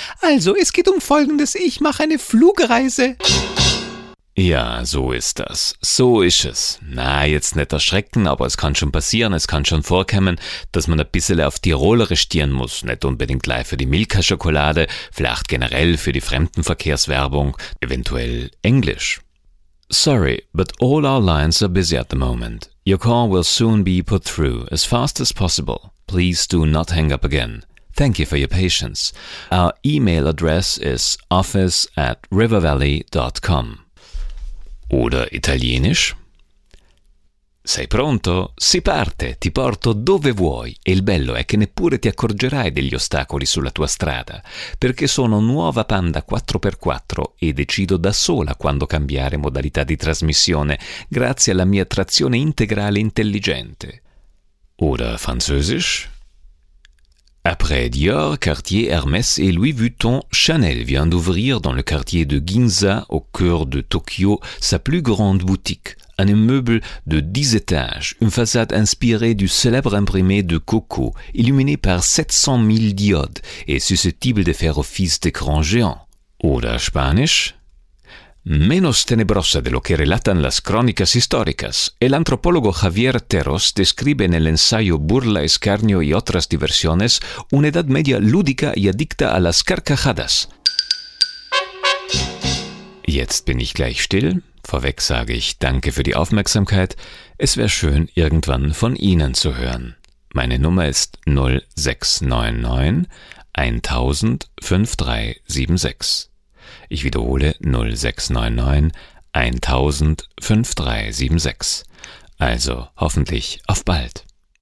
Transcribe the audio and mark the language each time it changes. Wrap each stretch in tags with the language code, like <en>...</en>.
<de>Also, es geht um Folgendes. Ich mache eine Flugreise. Ja, so ist das. So ist es. Na, jetzt nicht erschrecken, aber es kann schon passieren, es kann schon vorkommen, dass man ein bisschen auf Tirolerisch stieren muss. Nicht unbedingt gleich für die Milka-Schokolade, vielleicht generell für die Fremdenverkehrswerbung, eventuell Englisch.</de> <en>Sorry, but all our lines are busy at the moment. Your call will soon be put through as fast as possible. Please do not hang up again. Thank you for your patience. Our email address is office@rivervalley.com.</en> <de>Oder italienisch?</de> <it>Sei pronto? Si parte, ti porto dove vuoi. E il bello è che neppure ti accorgerai degli ostacoli sulla tua strada, perché sono nuova Panda 4x4 e decido da sola quando cambiare modalità di trasmissione, grazie alla mia trazione integrale intelligente.</it> <de>Oder französisch?</de> <fr>Après Dior, Cartier, Hermès et Louis Vuitton, Chanel vient d'ouvrir dans le quartier de Ginza, au cœur de Tokyo, sa plus grande boutique. Un immeuble de 10 étages, une façade inspirée du célèbre imprimé de Coco, illuminée par 700 000 diodes et susceptible de faire office d'écran géant.</fr> <de>Oder Spanisch?</de> <es>Menos tenebrosa de lo que relatan las crónicas históricas, el antropólogo Javier Terros describe en el ensayo Burla, Escarnio y otras diversiones una edad media lúdica y adicta a las carcajadas.</es> <de>Jetzt bin ich gleich still. Vorweg sage ich danke für die Aufmerksamkeit. Es wäre schön, irgendwann von Ihnen zu hören. Meine Nummer ist 0699-1005376. Ich wiederhole 0699-1005376. Also hoffentlich auf bald.</de>